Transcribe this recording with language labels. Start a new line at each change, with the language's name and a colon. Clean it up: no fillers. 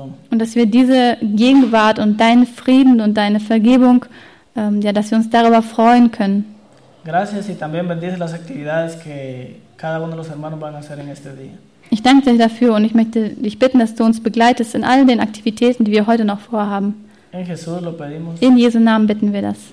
German: Und dass wir diese Gegenwart und deinen Frieden und deine Vergebung, ja, dass wir uns darüber freuen können.
Spanish: Gracias y también bendice las actividades que cada uno de los hermanos van a hacer en este día.
German: Ich danke dir dafür und ich möchte dich bitten, dass du uns begleitest in all den Aktivitäten, die wir heute noch vorhaben.
Spanish: En Jesús lo pedimos.
German: In Jesu Namen bitten wir das.